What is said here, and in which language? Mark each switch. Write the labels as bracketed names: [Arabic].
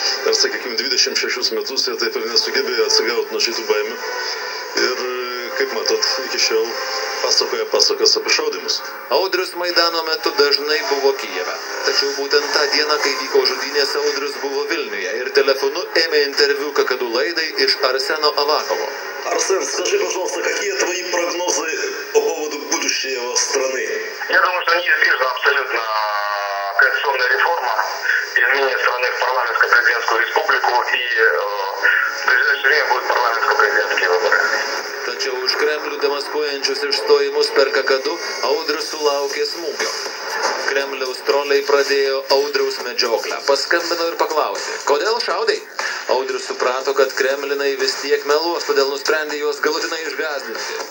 [Lithuanian] Ar, sakykime, 26 metus jie taip ir nesugebėjo atsigauti nuo šitų baimių. Ir, kaip matot, iki šiol pasakas apie šaudimus. Audrius Maidano metu dažnai buvo Kijeve. Tačiau būtent tą dieną, kai vyko žudynės, Audrius buvo Vilniuje ir telefonu ėmė interviu kakadu laidai iš Arseno Avakovo. [Russian] Арсен, скажи, пожалуйста, какие твои прогнозы по поводу будущего страны? Я думаю, что неизбежна абсолютно конституционная реформа, изменение страны в парламентско-президентскую республику, и в ближайшее время будут парламентско-президентские выборы. [Lithuanian] Tačiau už Kremlių demaskuojančius išstojimus per kakadu Audrius sulaukė smūgio. Kremliaus troliai pradėjo Audriaus medžioklę. Paskambino ir paklausė, kodėl šaudai? Audrius suprato, kad kremlinai vis tiek meluos, todėl nusprendė juos galutinai išgąsdinti.